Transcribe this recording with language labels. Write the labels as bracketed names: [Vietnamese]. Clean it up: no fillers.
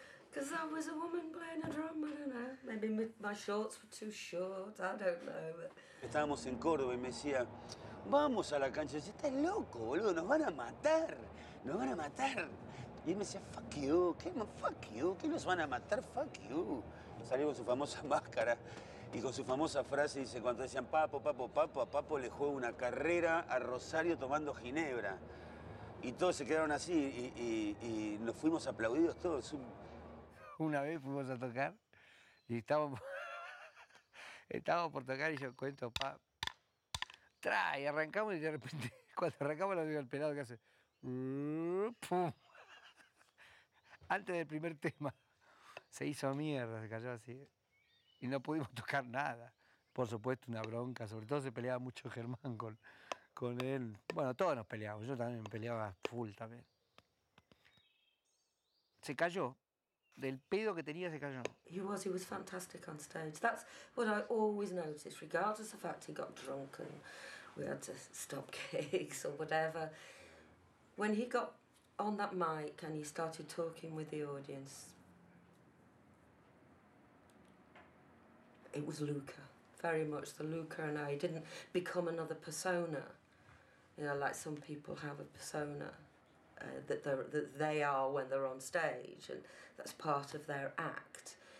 [English] Because I was a woman playing a drum, I don't know. Maybe my shorts were too short, I don't know. But... [Spanish] Estábamos en Córdoba y me decía, vamos a la cancha. Y decía, estás loco, boludo, nos van a matar. Nos van a matar. Y él me decía, [English] fuck you, [Spanish] ¿qué? Fuck you, ¿qué nos van a matar? Fuck you. Y salió con su famosa máscara y con su famosa frase, dice, cuando decían papo, papo, papo, a papo le juega una carrera a Rosario tomando ginebra. Y todos se quedaron así y nos fuimos aplaudidos todos. Una vez fuimos a tocar y estábamos por tocar y yo cuento, pa, tra, y arrancamos y de repente, cuando arrancamos lo digo al pelado que hace, pum. Antes del primer tema se hizo mierda, se cayó así y no pudimos tocar nada. Por supuesto, una bronca, sobre todo se peleaba mucho Germán con él. Bueno, todos nos peleábamos, yo también me peleaba full también. Se cayó, del pedo que tenía se cayó. [English] He was fantastic on stage. That's what I always noticed, regardless of the fact he got drunk and we had to stop gigs or whatever. When he got on that mic and he started talking with the audience, it was Luca, very much the Luca, and I didn't become another persona, you know, like some people have a persona that they are when they're on stage and that's part of their act.